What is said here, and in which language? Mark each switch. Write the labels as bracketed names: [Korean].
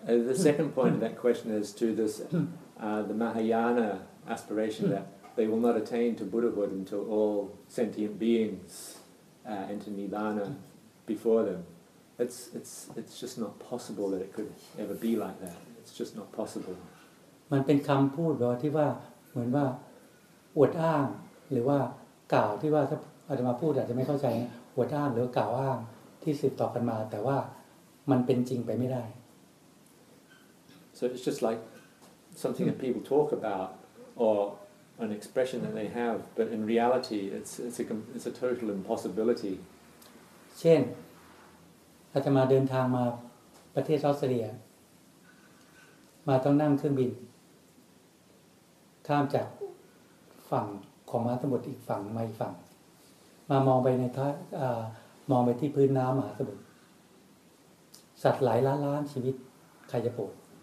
[English] the second point of that question is to this the Mahayana aspiration that they will not attain to Buddhahood until all sentient beings enter Nibbana before them it's just not possible that it could ever be like that it's just not possible [Thai] มันเป็นคำพูดหรอที่ว่าเหมือนว่าอวดอ้างหรือว่ากล่าวที่ว่าถ้าอาตมาพูดอาจจะไม่เข้าใจหัวด้านหรือกล่าวอ้างที่สืบต่อกันมาแต่ว่ามันเป็นจริงไปไม่ได้ [English] So it's just like something that people talk about or an expression that they have but in reality it's a total impossibility [Thai] เช่นอาตมาเดินทางมาประเทศออสเตรเลียมาต้องนั่งเครื่องบินข้ามจากฝั่งของมหาสมุทรอีกฝั่งมาอีกฝั่งมามองไปในท้องมองไปที่พื้นน้ำมหาสมุทรสัตว์หลายล้านล้านชีวิตใครจะปวด